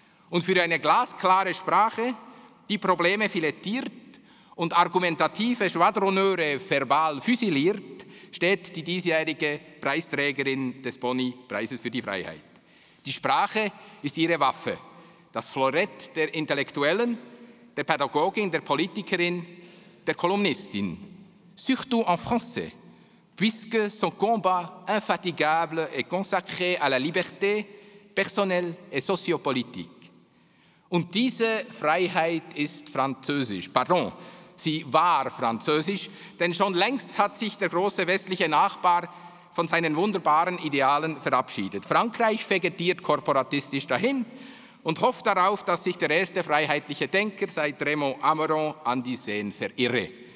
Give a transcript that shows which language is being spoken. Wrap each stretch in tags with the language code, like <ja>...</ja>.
<de>Und für eine glasklare Sprache, die Probleme filettiert und argumentative Schwadronneure verbal füsiliert, steht die diesjährige Preisträgerin des Bonipreises für die Freiheit. Die Sprache ist ihre Waffe, das Florett der Intellektuellen, der Pädagogin, der Politikerin, der Kolumnistin.</de> <fr>Surtout en français, puisque son combat infatigable est consacré à la liberté personnelle et sociopolitique.</fr> <de>Und diese Freiheit ist französisch. Pardon. Sie war französisch, denn schon längst hat sich der große westliche Nachbar von seinen wunderbaren Idealen verabschiedet. Frankreich vegetiert korporatistisch dahin und hofft darauf, dass sich der erste freiheitliche Denker seit Raymond Aron an die Seine verirre.</de>